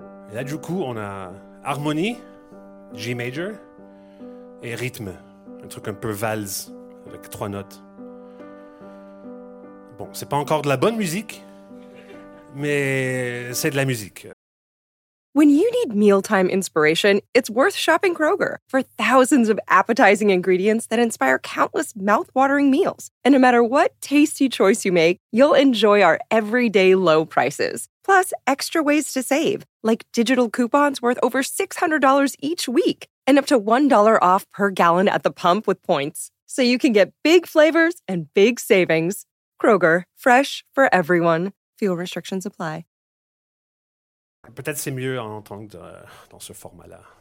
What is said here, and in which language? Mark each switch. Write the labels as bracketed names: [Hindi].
[French] Et là, du coup, on a harmonie, G major, et rythme, un truc un peu valse, avec trois notes. Bon, c'est pas encore de la bonne musique, mais c'est de la musique. [English] When you need mealtime inspiration, it's worth shopping Kroger. For thousands of appetizing ingredients that inspire countless mouth-watering meals. And no matter what tasty choice you make, you'll enjoy our everyday low prices, plus extra ways to save, like digital coupons worth over $600 each week, and up to $1 off per gallon at the pump with points. So you can get big flavors and big savings. Kroger, fresh for everyone. Fuel restrictions apply. [French] Peut-être c'est mieux en entendre dans ce format-là.